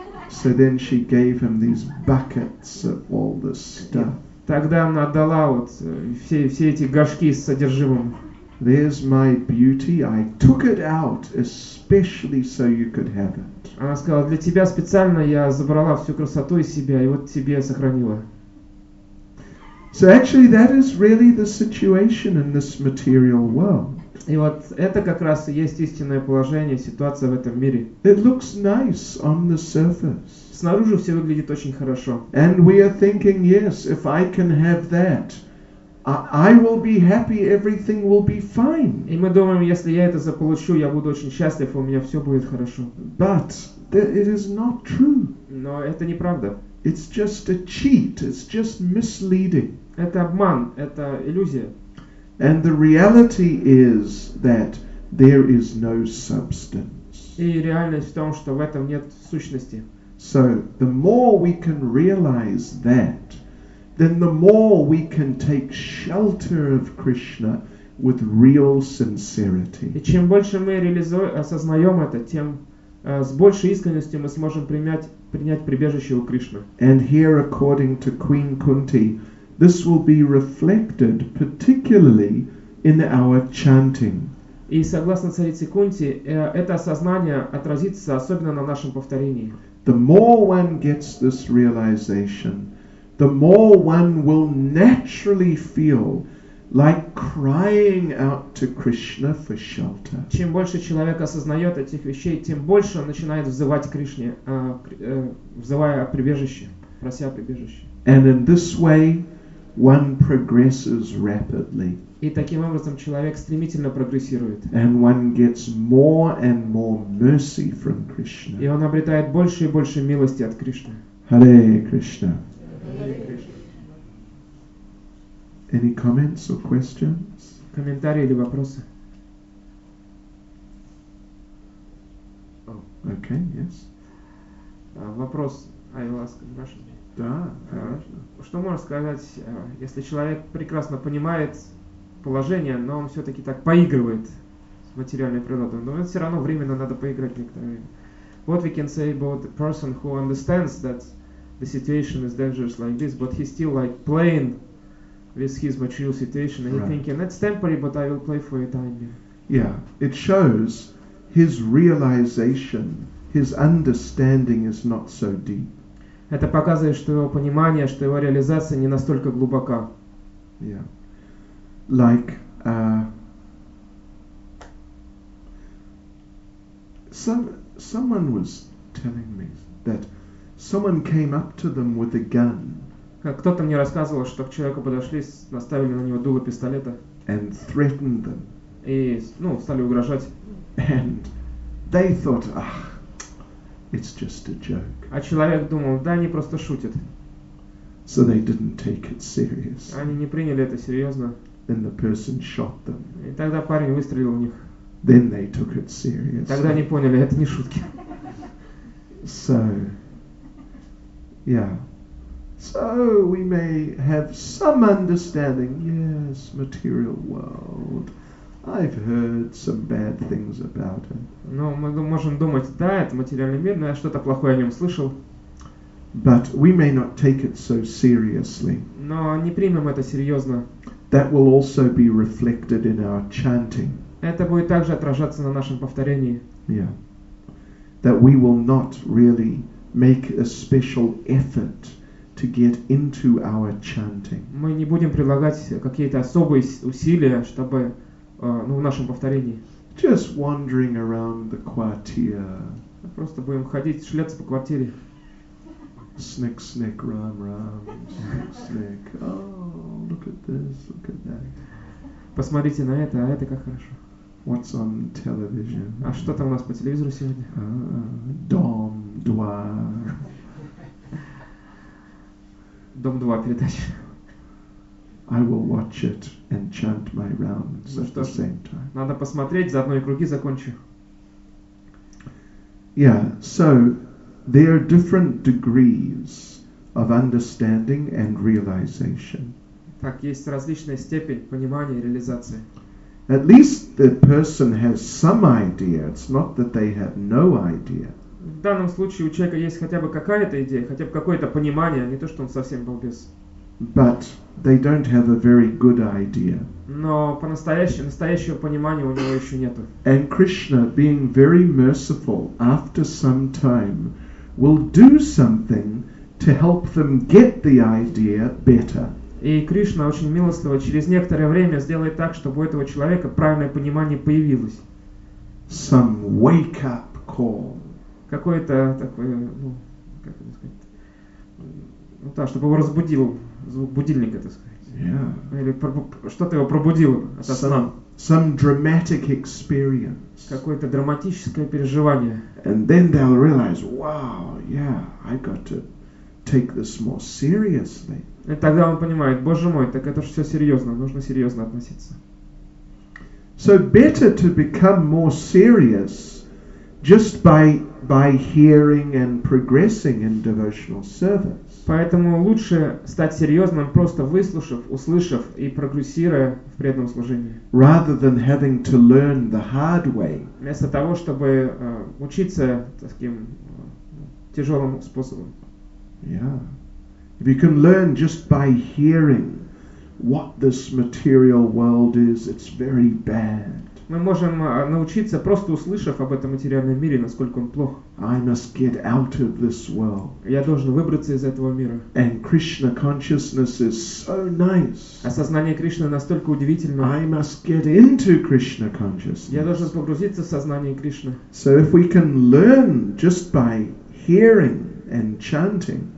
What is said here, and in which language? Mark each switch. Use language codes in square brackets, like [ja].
[en] So then she gave him these buckets of all this stuff. [ru] Тогда она отдала вот все эти горшки с содержимым. [en] There's my beauty. I took it out especially so you could have it. [ru] Она сказала, для тебя специально я забрала всю красоту из себя и вот тебе сохранила. [en] So actually that is really the situation in this material world. [ru] И вот это как раз и есть истинное положение, ситуация в этом мире. [en] It looks nice on the surface. [ru] Снаружи все выглядит очень хорошо. [en] And we are thinking, yes, if I can have that, I will be happy, everything will be fine. [ru] И мы думаем, если я это заполучу, я буду очень счастлив, у меня все будет хорошо. [en] But it is not true. [ru] Но это неправда. [en] It's just a cheat, it's just misleading. [ru] Это обман, это иллюзия. [en] And the reality is that there is no substance. [ru] И реальность в том, что в этом нет сущности. [en] So the more we can realize that, then the more we can take shelter of Krishna with real sincerity. [ru] И чем больше мы осознаем это, тем с большей искренностью мы сможем принять прибежище у Кришны. [en] And here, according to Queen Kunti, this will be reflected particularly in our chanting. [ru] И согласно царице Кунти, это осознание отразится особенно на нашем повторении. [en] The more one gets this realization, the more one will naturally feel like crying out to Krishna for shelter. [ru] Чем больше человек осознает этих вещей, тем больше он начинает взывать к Кришне, взывая о прибежище, прося о прибежище. [en] And in this way, one progresses rapidly. [ru] И таким образом человек стремительно прогрессирует. [en] And one gets more and more mercy from Krishna. [ru] И он обретает больше и больше милости от Кришны. [en] Hare Krishna. Hare Krishna. Any comments or questions? [ru] Комментарии или вопросы? [en] Oh, okay, yes. [ru] Вопрос. [en] I will ask a question. [ru] Да, конечно. Что можно сказать, если человек прекрасно понимает положение, но он все-таки так поигрывает с материальной природой, но все равно временно надо поиграть некоторое время. [en] What we can say about the person who understands that the situation is dangerous like this, but he's still like playing with his material situation, and he's thinking, that's temporary, but I will play for a time. Yeah, it shows his realization, his understanding is not so deep. [ru] Это показывает, что его понимание, что его реализация не настолько глубока. [en] Yeah. Like, someone was telling me that someone came up to them with a gun. [ru] Кто-то мне рассказывал, что к человеку подошли, наставили на него дуло пистолета. [en] And threatened them. [ru] И, ну, стали угрожать. [en] And they thought, ah, it's just a joke. [ru] А человек думал, да, они просто шутят. [en] So they didn't take it serious. [ru] Они не приняли это серьезно. [en] Then the person shot them. [ru] И тогда парень выстрелил в них. [en] Then they took it serious. [ru] Тогда они поняли, это не шутки. [en] So, yeah. So we may have some understanding. Yes, material world. I've heard some bad things about it. [ru] Но мы можем думать, да, это материальный мир, но я что-то плохое о нем слышал. [en] But we may not take it so seriously. [ru] Но не примем это серьезно. [en] That will also be reflected in our chanting. [ru] Это будет также отражаться на нашем повторении. [en] Yeah. That we will not really make a special effort to get into our chanting. [ru] Мы не будем прилагать какие-то особые усилия, чтобы, ну, в нашем повторении. [en] Just wandering around the quartier. [ru] Просто будем ходить, шляться по квартире. Snick, snick, ram, ram, snick, snick. [en] Oh, look at this, look at that. [ru] Посмотрите на это, а это как хорошо. [en] What's on television? [ru] А что там у нас по телевизору сегодня? Дом, два. Дом 2 передача. [en] I will watch it and chant my rounds at the same time. [ru] Надо посмотреть, заодно и круги закончу. [en] Yeah, so there are different degrees of understanding and realization. [ru] Так, есть различная степень понимания и реализации. [en] At least the person has some idea. It's not that they have no idea. [ru] В данном случае у человека есть хотя бы какая-то идея, хотя бы какое-то понимание, не то, что он совсем балбес. [en] But they don't have a very good idea. [ru] Но по-настоящему, настоящего понимания у него еще нету. [en] And Krishna, being very merciful, after some time, will do something to help them get the idea better. [ru] И Кришна очень милостливо через некоторое время сделает так, чтобы у этого человека правильное понимание появилось. [en] Some wake-up call. [ru] Какое-то такое, ну, как это сказать, ну, так, чтобы его разбудил, звук будильника, так сказать. [en] Yeah. [ru] Или что-то его пробудило ото сна. [en] Some dramatic experience. [ru] Какое-то драматическое переживание. [en] And then they'll realize, wow, yeah, I got to take this more seriously. [ru] И тогда он понимает, боже мой, так это же все серьезно, нужно серьезно относиться. [en] So better to become more serious just by hearing and progressing in devotional service. [ru] Поэтому лучше стать серьезным, просто выслушав, услышав и прогрессируя в преданном служении. [en] Rather than having to learn the hard way. [ru] Вместо того, чтобы учиться таким тяжелым способом. [en] Yeah. If you can learn just by hearing what this material world is, it's very bad. [ru] Мы можем научиться, просто услышав об этом материальном мире, насколько он плох. [en] I must get out of this world. [ru] Я должен выбраться из этого мира. [en] And Krishna consciousness is so nice. [ru] Осознание Кришны настолько удивительно. [en] I must get into Krishna consciousness. [ru] Я должен погрузиться в сознание Кришны. [en] So if we can learn just by hearing and chanting.